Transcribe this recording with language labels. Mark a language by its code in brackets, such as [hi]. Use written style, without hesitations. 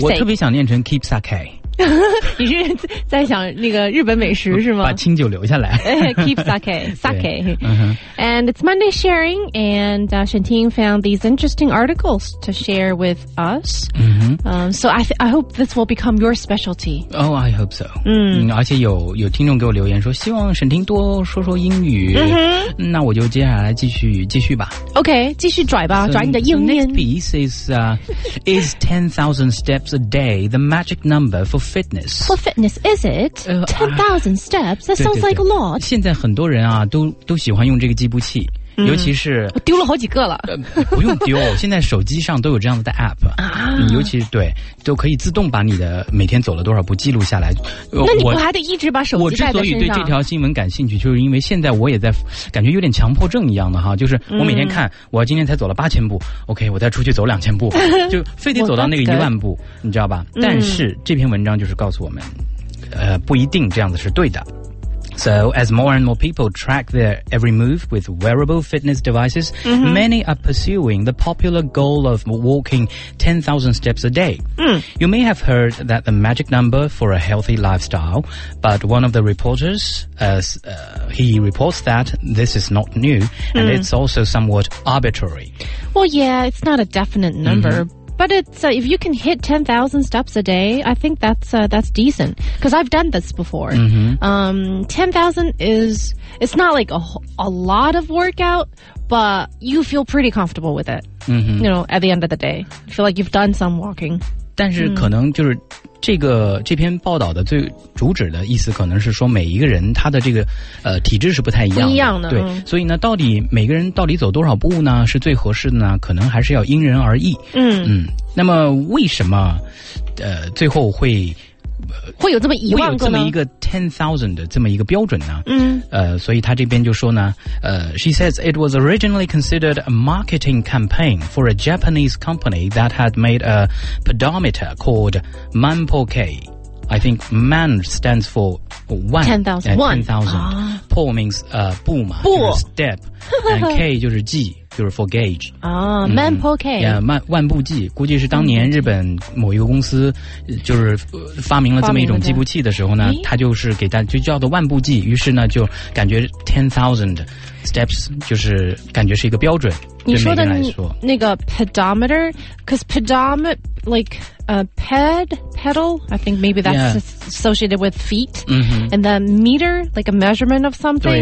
[zh] 我特别想念成 Keepsake。你是在想那个日本美食是吗？把清酒留下来。 [en] Keep sake, sake. And it's Monday sharing, and Shantin found these interesting articles to share with us. So I hope this will become your specialty. Oh, I hope so. [zh] 而且有听众给我留言说，希望Shantin多说说英语。那我就接下来继续吧。 OK, 继续拽吧，拽你的英音。 [en] The next piece is 10,000 steps a day the magic number for fitness? For fitness, is it? 10,000 steps? That sounds like a lot. [zh] 现在很多人啊都喜欢用这个计步器，尤其是我丢了好几个了。不用丢，现在手机上都有这样的 app 啊，你尤其是对，都可以自动把你的每天走了多少步记录下来。那你不还得一直把手机带在身上？我之所以对这条新闻感兴趣，就是因为现在我也在感觉有点强迫症一样的哈，就是我每天看，我今天才走了8000步 ，OK， 我再出去走2000步，就非得走到那个10,000步，你知道吧？但是这篇文章就是告诉我们，不一定这样子是对的。 [en] So, as more and more people track their every move with wearable fitness devices, many are pursuing the popular goal of walking 10,000 steps a day. You may have heard that the magic number for a healthy lifestyle, but one of the reporters, he reports that this is not new, and it's also somewhat arbitrary. Well, yeah, it's not a definite number. But it's, if you can hit 10,000 steps a day, I think that's decent. Because I've done this before. 10,000 is, it's not like a lot of workout, but you feel pretty comfortable with it. You know, at the end of the day. You feel like you've done some walking. [zh] 但是可能就是这篇报道的最主旨的意思可能是说每一个人他的这个体质是不太一样的。不一样的。对。所以呢到底每个人到底走多少步呢是最合适的呢可能还是要因人而异。那么为什么最后会有这么一万个呢会有这么一个 10,000 的这么一个标准呢所以他这边就说呢 [en] She says it was originally considered a marketing campaign for a Japanese company that had made a pedometer called Manpokei. I think man stands for one. 10,000. Po means [zh] 步嘛步 [en] step. And K [zh] 就是计就是 [en] for gauge [zh] 啊 ，Manpokei 呀，万步计，估计是当年日本某一个公司就是发明了这么一种计步器的时候呢，它就是给大家就叫做万步计，于是呢就感觉 10,000 steps 就是感觉是一个标准。你说的那个 [en] pedometer， because pedometer like a pedal， I think maybe that's associated with feet， and the meter like a measurement of something。